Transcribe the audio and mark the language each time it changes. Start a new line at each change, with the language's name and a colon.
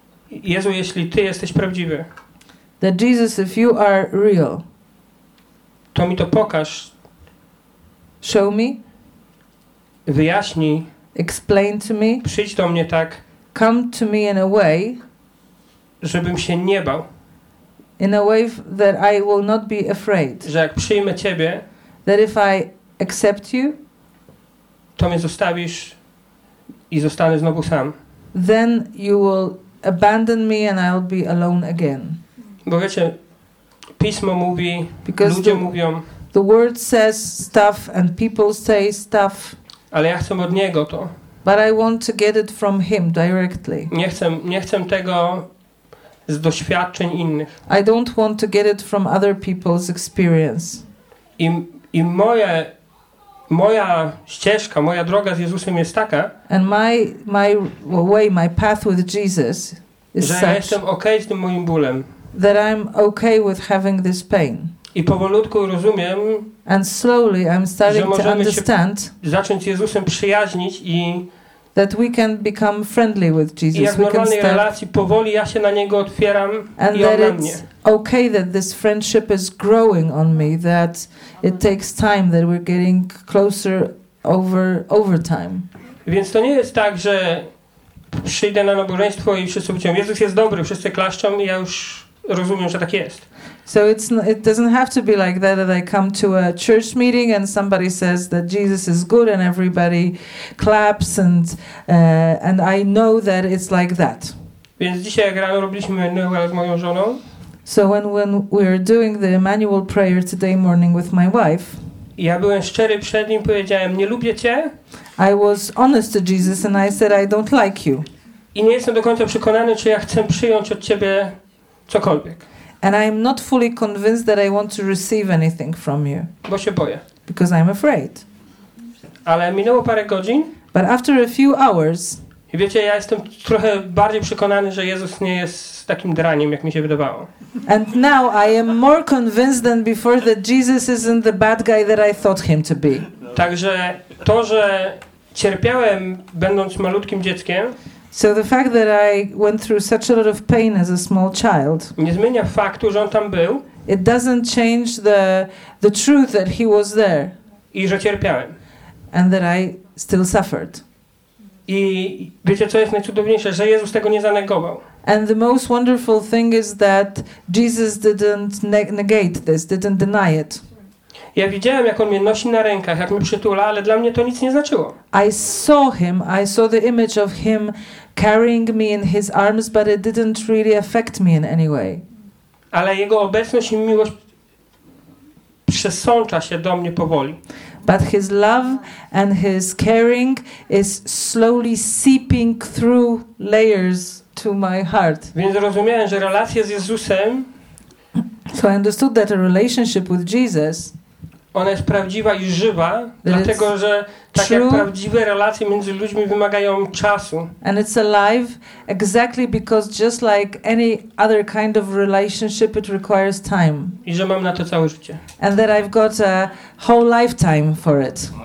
Polish: Jezu, jeśli ty jesteś prawdziwy,
English: that Jesus, if you are real,
Polish: to mi to pokaż.
English: Show me.
Polish: Wyjaśnij.
English: Explain to me.
Polish: Przyjdź do mnie tak.
English: Come to me in a way,
Polish: żebym się nie bał.
English: In a way that I will not be afraid.
Polish: Że jak przyjmę ciebie,
English: that if I accept you,
Polish: to mnie zostawisz i zostanę znowu sam.
English: Then you will abandon me and I'll be alone again.
Polish: Bo wiecie, Pismo mówi, because ludzie mówią.
English: The word says stuff and people say stuff.
Polish: Ale ja chcę od niego to.
English: But I want to get it from him directly.
Polish: Nie chcę tego z doświadczeń innych.
English: I don't want to get it from other people's experience.
Polish: I moja ścieżka, moja droga z Jezusem jest taka.
English: And my way, my path with Jesus is such.
Polish: Że ja jestem okej z tym moim bólem.
English: That I'm okay with having this pain.
Polish: I powolutku rozumiem.
English: And slowly I'm starting to understand.
Polish: Zacząć z Jezusem przyjaźnić i
English: that we can become friendly with Jesus.
Polish: I jak w normalnej relacji powoli ja się na niego otwieram
English: and
Polish: i on na mnie.
English: Okay, that this friendship is growing on me, that it takes time, that we're getting closer over time.
Polish: Więc to nie jest tak, że przyjdę na nabożeństwo i wszyscy mówią, Jezus jest dobry, wszyscy klaszczą i ja już rozumiem, że tak jest.
English: So it doesn't have to be like that, that I come to a church meeting and somebody says that Jesus is good and everybody claps and I know that it's like that.
Polish: Więc dzisiaj jak rano robiliśmy Emanuel z moją żoną.
English: So when we are doing the Emmanuel prayer today morning with my wife.
Polish: Ja byłem szczery przed nim, powiedziałem, nie lubię cię.
English: I was honest to Jesus and I said, I don't like you.
Polish: I nie jestem do końca przekonany, czy ja chcę przyjąć od ciebie cokolwiek.
English: And I'm not fully convinced that I want to receive anything from you.
Polish: Bo się boję.
English: Because I'm afraid.
Polish: Ale minęło parę godzin.
English: But after a few hours.
Polish: I wiecie, ja jestem trochę bardziej przekonany, że Jezus nie jest takim draniem, jak mi się wydawało.
English: And now I am more convinced than before that Jesus isn't the bad guy that I thought him to be.
Polish: Także to, że cierpiałem będąc malutkim dzieckiem.
English: So the fact that I went through such a lot of pain as a small child.
Polish: Nie zmienia faktu, że on tam był.
English: It doesn't change the truth that he was there.
Polish: I że cierpiałem.
English: And that I still suffered.
Polish: I wiecie, co jest najcudowniejsze, że Jezus tego nie zanegował.
English: And the most wonderful thing is that Jesus didn't negate this, didn't deny it.
Polish: Ja widziałem, jak on mnie nosi na rękach, jak mnie przytula, ale dla mnie to nic nie znaczyło.
English: I saw him, I saw the image of him carrying me in his arms, but it didn't really affect me in any way.
Polish: Ale jego obecność i miłość przesącza się do mnie powoli.
English: But his love and his caring is slowly seeping through layers to my heart.
Polish: Więc zrozumiałem, że relacja z Jezusem.
English: So I understood that a relationship with Jesus.
Polish: Ona jest prawdziwa i żywa, dlatego że tak jak prawdziwe relacje między ludźmi wymagają czasu.
English: And it's alive exactly because just like any other kind of relationship it requires time.
Polish: I że mam na to całe życie.
English: And that I've got a whole lifetime for it.